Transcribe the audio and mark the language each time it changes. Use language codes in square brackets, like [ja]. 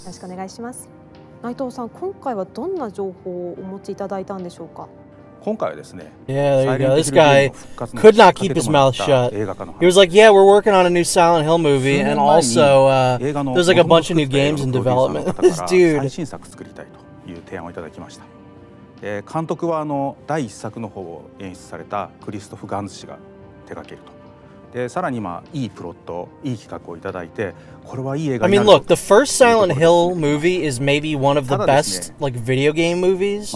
[ja] よろしくお願いします。内藤さん、今回はどんな情報をお持ちいただいたんでしょうか。今回はですね。 [en] Yeah, there you go. This guy could not keep his mouth shut. He was like, "Yeah, we're working on a new Silent Hill movie, and also, there's like a bunch of new games in development." This dude. [ja] 最新作作りたいという提案をいただきました。監督は第一作の方を演出されたクリストフ・ガンズ氏が手掛けると。でさらに今いいプロット、いい企画をいただいて、これはいい映画になる。 [en] I mean, look, the first Silent Hill movie is maybe one of the best like video game movies.